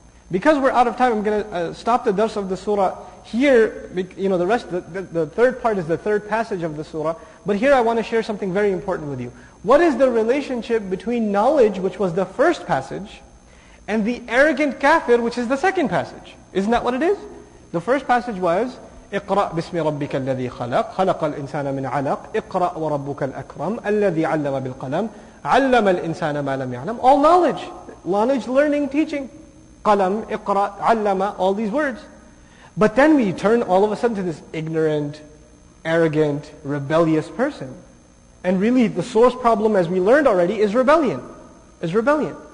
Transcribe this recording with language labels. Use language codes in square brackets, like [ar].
[en] Because we're out of time, I'm going to stop the dars of the surah here. You know, the rest, the third part is the third passage of the surah. But here I want to share something very important with you. What is the relationship between knowledge, which was the first passage, and the arrogant kafir, which is the second passage? Isn't that what it is? The first passage was, [ar] إِقْرَأْ بِاسْمِ رَبِّكَ الَّذِي خَلَقْ خَلَقَ الْإِنسَانَ مِنْ عَلَقْ إِقْرَأْ وَرَبُّكَ الْأَكْرَمْ الَّذِي عَلَّمَ بِالْقَلَمْ عَلَّمَ الْإِنسَانَ مَا لَمْ يَعْلَمْ. [en] All knowledge. Knowledge, learning, teaching. قَلَمْ إِقْرَأْ عَلَّمَ. All these words. But then we turn all of a sudden to this ignorant, arrogant, rebellious person. And really the source problem, as we learned already, is rebellion. Is rebellion.